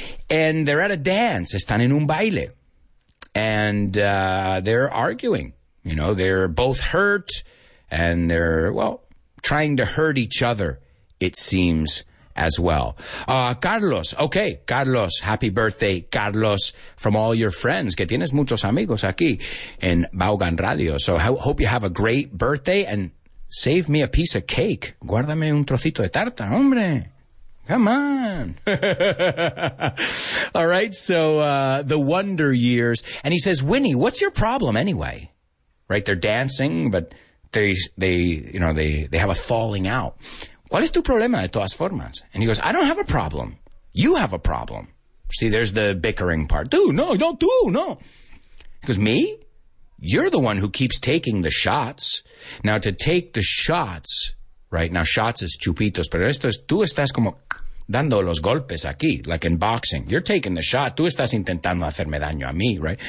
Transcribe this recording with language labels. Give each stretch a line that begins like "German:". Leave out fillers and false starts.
English: And they're at a dance.
Spanish: Están en un baile.
English: And they're arguing. You know, they're both hurt and they're, well, trying to hurt each other, it seems, as well. Carlos. Okay, Carlos. Happy birthday, Carlos, from all your friends.
Spanish: Que tienes muchos amigos aquí en Baugan Radio.
English: So I hope you have a great birthday and save me a piece of cake.
Spanish: Guárdame un trocito de tarta, hombre.
English: Come on. All right, so the Wonder Years. And he says, Winnie, what's your problem anyway? Right, they're dancing, but they have a falling out.
Spanish: ¿Cuál es tu problema de todas formas?
English: And he goes, I don't have a problem. You have a problem. See, there's the bickering part. No. He goes, me? You're the one who keeps taking the shots. Now, to take the shots, right? Now, shots is
Spanish: chupitos, pero esto es, tú estás como dando los golpes aquí,
English: like in boxing. You're taking the shot.
Spanish: Tú estás intentando hacerme daño a mí, right?